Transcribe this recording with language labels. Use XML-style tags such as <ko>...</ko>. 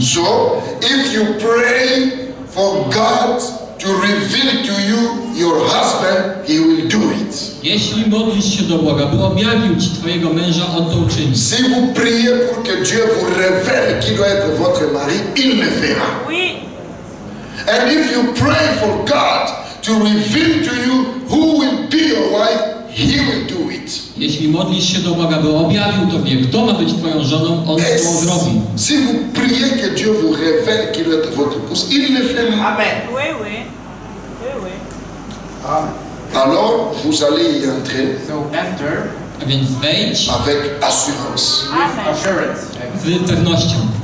<en>So, if you pray for God to reveal to you your husband, he will do it.</en> <pl>Jeśli modlisz się do Boga, by objawił ci twojego męża, on to uczyni.</pl> <fr>Si vous priez pour que Dieu vous révèle qui doit être votre mari, il le fera. Oui.</fr> <en>And if you pray for God to reveal to you who will be your wife, he will do it.</en> <pl>Jeśli modlisz się do Boga, by objawił tobie, kto ma być twoją żoną, on to zrobi.</pl> <fr>Si vous priez que Dieu vous révèle qui doit être votre épouse, il le fera. Amen. Oui, oui. Oui, oui. Amen. Alors, vous allez y entrer.</fr> <en>So enter.</en> <pl>A więc wejdź.</pl> <fr>Avec assurance.</fr> <en>With assurance.</en> <pl>Z pewnością.</pl>